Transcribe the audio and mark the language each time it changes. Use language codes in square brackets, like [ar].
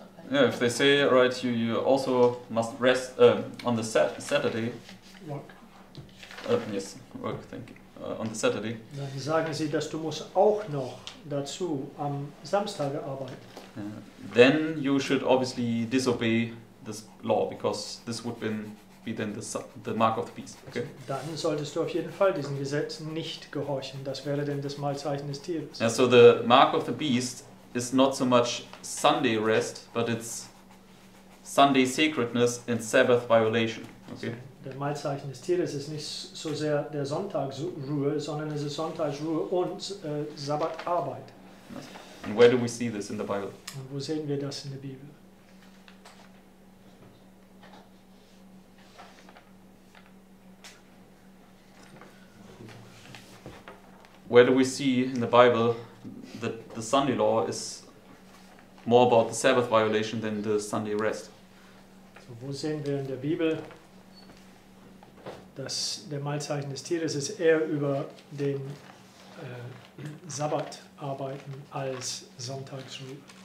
[en] Yeah, if they say, right, you also must rest on the Saturday. Work. Yes, work, thank you. On the Saturday. [de] Dann sagen sie, dass du musst auch noch dazu am Samstag arbeiten. [en] Then you should obviously disobey this law, because this would be then the mark of the beast. Okay? [de] Dann solltest du auf jeden Fall diesen Gesetz nicht gehorchen. Das wäre dann das Malzeichen des Tieres. [en] Yeah, so the mark of the beast is not so much Sunday rest, but it's Sunday sacredness and Sabbath violation. Okay? So. [de] Der Malzeichen des Tieres ist nicht so sehr der Sonntagsruhe, sondern es ist Sonntagsruhe und Sabbatarbeit. [en] And where do we see this in the Bible? [de] Und wo sehen wir das in der Bibel? [en] Where do we see in the Bible that the Sunday law is more about the Sabbath violation than the Sunday rest? [de] So, wo sehen wir in der Bibel, dass der Malzeichen des Tieres ist eher über den Sabbat arbeiten als Sonntagsruhe.